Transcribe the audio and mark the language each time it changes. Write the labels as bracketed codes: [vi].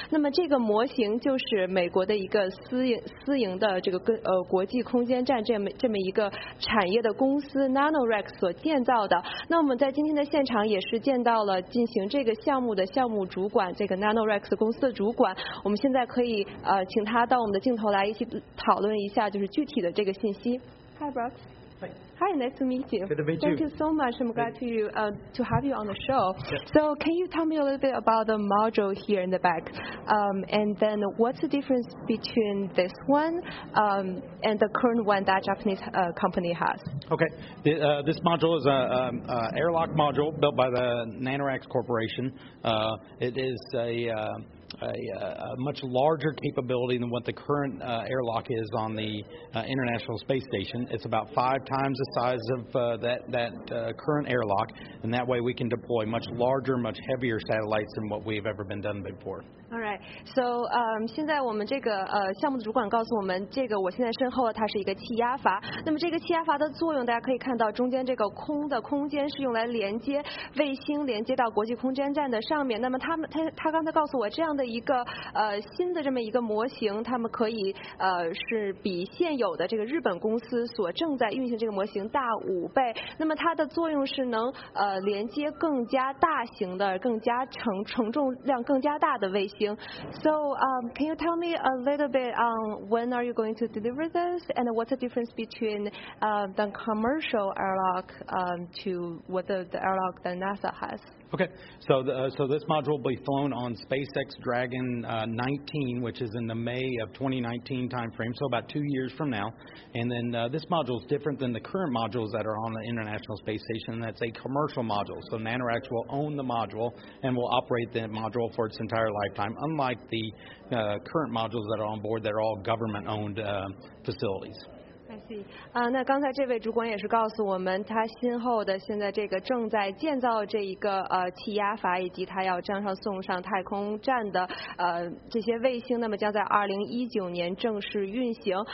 [zh] 那么这个模型就是美国的一个私营的这个国际空间站这么一个产业的公司 NanoRack 所建造的。那我们在今天的现场也是见到了进行这个项目的项目主管，这个 NanoRack 公司的主管。我们现在可以请他到我们的镜头来一起讨论一下就是具体的这个信息。 [en] Hi Brooks。 Hi, nice to meet you. Good to meet you. Thank you so much. I'm glad to have you on the show. Yes. So can you tell me a little bit about the module here in the back? And then what's the difference between this one and the current one that Japanese company has? Okay. This module is an airlock module built by the NanoRack Corporation. It is a much larger capability than what the current airlock is on the International Space Station. It's about 5 times the size of that current airlock, and that way we can deploy much larger, much heavier satellites than what we've ever been done before. All right. [zh] So, 现在我们这个项目的主管告诉我们，这个我现在身后它是一个气压阀。那么这个气压阀的作用，大家可以看到中间这个空的空间是用来连接卫星，连接到国际空间站的上面。那么他刚才告诉我这样的一个新的这么一个模型，他们可以是比现有的这个日本公司所正在运行这个模型大5倍。那么它的作用是能连接更加大型的、更加承重量更加大的卫星。 [en] So can you tell me a little bit on when are you going to deliver this, and what's the difference between the commercial airlock to what the airlock that NASA has? Okay, so this module will be flown on SpaceX Dragon 19, which is in the May of 2019 timeframe, so about 2 years from now. And then this module is different than the current modules that are on the International Space Station. That's a commercial module. So NanoRack will own the module and will operate the module for its entire lifetime, unlike the current modules that are on board that are all government-owned facilities. [zh] 那刚才这位主管也是告诉我们，他身后的现在这个正在建造这一个气压阀，以及他要将上送上太空站的这些卫星，那么将在2019年正式运行。